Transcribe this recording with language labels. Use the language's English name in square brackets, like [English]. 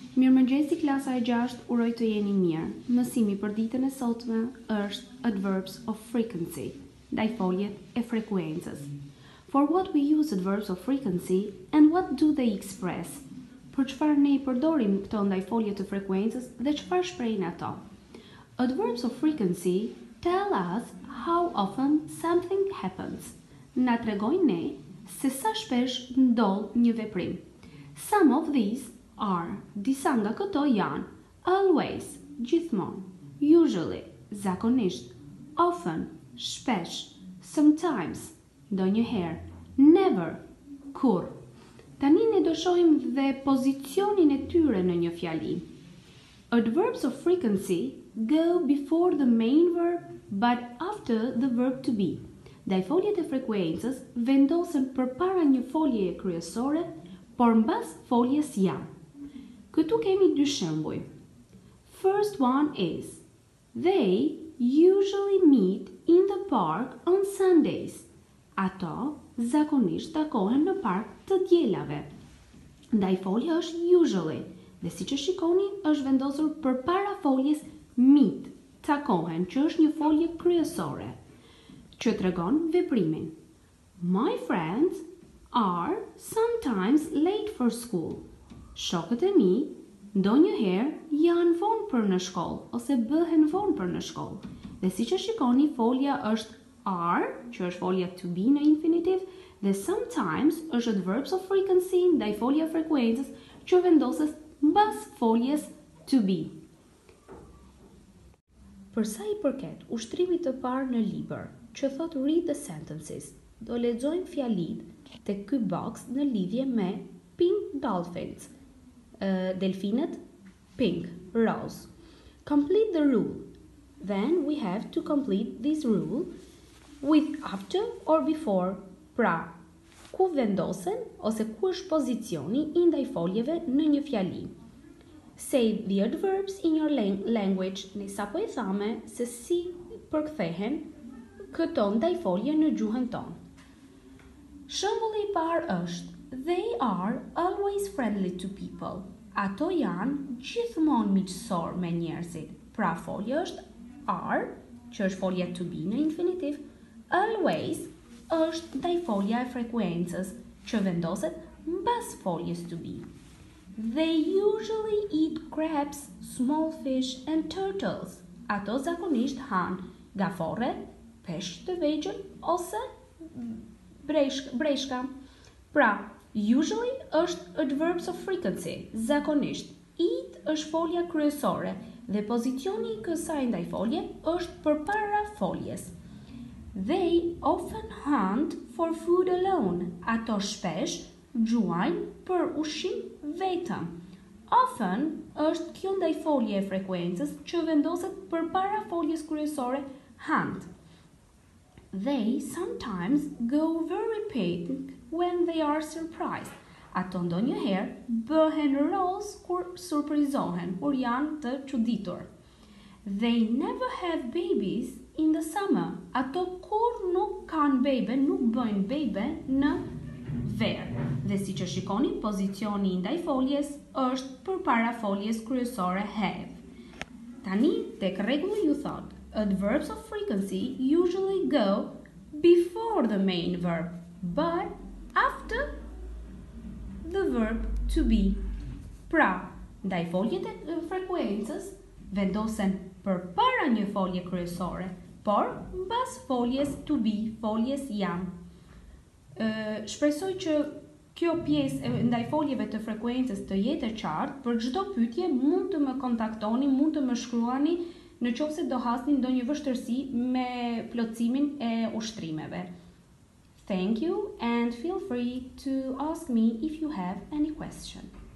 [Albanian] Mirëmëngjesi, klasa e 6, uroj të jeni mirë. Mësimi për ditën e sotme është adverbs of frequency, ndajfoljet e frekuencës. [English] For what we use adverbs of frequency and what do they express? [Albanian] Për çfarë ne i përdorim këto ndajfolje të frekuencës dhe çfarë shprehin ato? [English] Adverbs of frequency tell us how often something happens. [Albanian] Na tregojnë ne se sa shpesh ndodh një veprim. Some of these are, disa nga këto janë, always, gjithmonë, usually, zakonisht, often, shpesh, sometimes, ndonjëherë, never, kur. Tani ne do shohim dhe pozicionin e tyre në një fjali. [English] Adverbs of frequency go before the main verb, but after the verb to be. [Albanian] Ndajfoljet e frekuencës vendosen përpara një folje kryesore, por mbas foljes janë. Këtu kemi dy shembuj. [English] First one is, they usually meet in the park on Sundays. [Albanian] Ato zakonisht takohen në park të dielave. Ndaj folja është usually, dhe si që shikoni, është vendosur për para foljes meet, takohen, që është një folje kryesore, që tregon veprimin. [English] My friends are sometimes late for school. [Albanian] Shokët e mi, ndonjëherë janë vonë për në shkollë, ose bëhen vonë për në shkollë. Dhe si që shikoni, folja është are, që është folja to be në infinitive, dhe sometimes është adverbs of frequency, ndaj folja frekuencës, që vendoses mbas foljes to be. Përsa i përket ushtrimit të parë në libër, që thot [English] read the sentences, [Albanian] do lexojmë fjalit të ky box në lidhje me pink dolphins, delfinet pink, rose. [English] Complete the rule. Then we have to complete this rule with after or before. [Albanian] Pra, ku vendosen ose ku është pozicioni i ndaj foljeve në një fjali. [English] Say the adverbs in your language. [Albanian] Nisa po e thame se si përkthehen këto ndaj folje në gjuhën tonë. Shembulli i parë është [English] they are always friendly to people. [Albanian] Ato janë gjithmonë miqësor me njerëzit. Pra folja është are, që është folja to be në infinitiv. Always është ndaj folja e frekuencës, që vendoset mbas foljes to be. [English] They usually eat crabs, small fish and turtles. [Albanian] Ato zakonisht hanë gafore, peshq të vegjël ose breshka. Pra, usually është adverbs of frequency, zakonisht. Eat është folja kryesore dhe pozicioni i kësaj ndaj folje është përpara foljes. [English] They often hunt for food alone. [Albanian] Ato shpesh gjuajnë për ushqim vetëm. Often është kjo ndaj folje e frekuencës që vendoset përpara foljes kryesore hunt. [English] They sometimes go very pink when they are surprised. [Albanian] Ato ndonjëherë bëhen rose kur surprizohen, kur janë të çuditur. [English] They never have babies in the summer. [Albanian] Ato kur nuk kanë bebe, nuk bëjnë bebe në verë. Dhe si që shikoni, pozicioni ndaj foljes është përpara foljes kryesore have. Tani tek rregulli ju thot, [English] adverbs of frequency usually go before the main verb, but after the verb to be. [Albanian] Pra, ndaj foljet e frekuencës vendosen përpara një folje kryesore, por mbas foljes to be, foljes jam. Shpresoj që kjo pjesë ndaj foljeve të frekuencës të jetë e qartë. Për çdo pyetje mund të më kontaktoni, mund të më shkruani në qovë se do hasni ndonjë vështërsi me plotësimin e ushtrimeve. [English] Thank you and feel free to ask me if you have any questions.